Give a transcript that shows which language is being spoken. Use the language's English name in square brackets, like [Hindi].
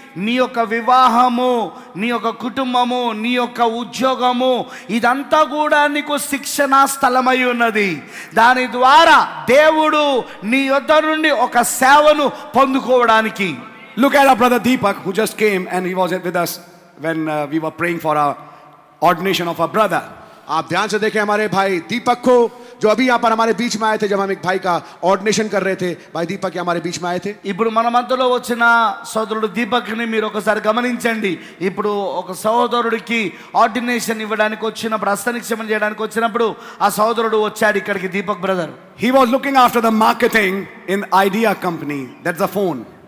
[Telugu] నీ యొక్క వివాహము, నీ యొక్క కుటుంబము, నీ యొక్క ఉద్యోగము, ఇదంతా కూడా నీకు శిక్షణా స్థలమై ఉన్నది. దాని ద్వారా దేవుడు నీ యొద్ద నుండి ఒక సేవను పొందుకోవడానికి. [English] Look at our brother Deepak who just came and he was with us when we were praying for our ordination of our brother. [Hindi] आप ध्यान से देखें हमारे भाई दीपक को जो अभी यहाँ पर हमारे बीच में आए थे जब हम एक भाई का ऑर्डिनेशन कर रहे थे. भाई दीपक हमारे बीच में आए थे. [Telugu] ఇప్పుడు మన మధ్యలో వచ్చిన సోదరుడు దీపక్ ని మీరు ఒకసారి గమనించండి. ఇప్పుడు ఒక సోదరుడికి ఆర్డినేషన్ ఇవ్వడానికి వచ్చినప్పుడు, హస్తనిక్షేపం చేయడానికి వచ్చినప్పుడు ఆ సోదరుడు వచ్చాడు ఇక్కడికి. Deepak brother, [English] He was looking after the marketing in Idea company, that's the phone.